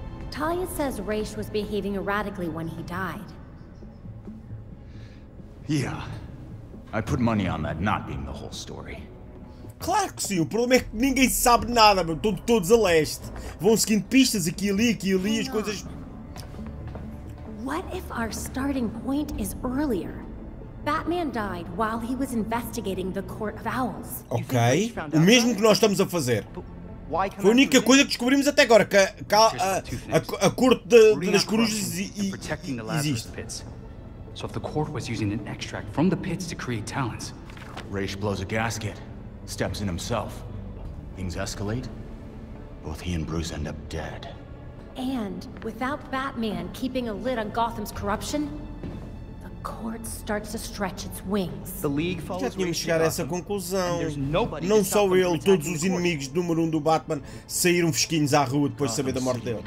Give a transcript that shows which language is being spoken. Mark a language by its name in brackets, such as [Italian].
[English] Talia says Ra's was behaving erratically when he died. Yeah. I put money on that not being the whole story. [Portuguese] Claro que sim, o problema é que ninguém sabe nada, meu. Estão todos a leste. Vão seguindo pistas aqui e ali, as coisas. [English] What if our starting point is earlier? Batman died while he was investigating the Court of Owls. Ok. [Portuguese] O mesmo que nós estamos a fazer. Foi a única coisa que descobrimos até agora, que a Corte das Corujas existe. [English] So if the court was using an extract from the pits to create talents, Ra's blows a gasket, steps in himself. Things escalate. Both he and Bruce end up dead. And without Batman keeping a lid on Gotham's corruption, the court starts to stretch its wings. The League follows. [Portuguese] Já tínhamos chegado a essa conclusão. Não só ele, todos os inimigos número um do Batman saíram fresquinhos à rua depois de saber da morte dele.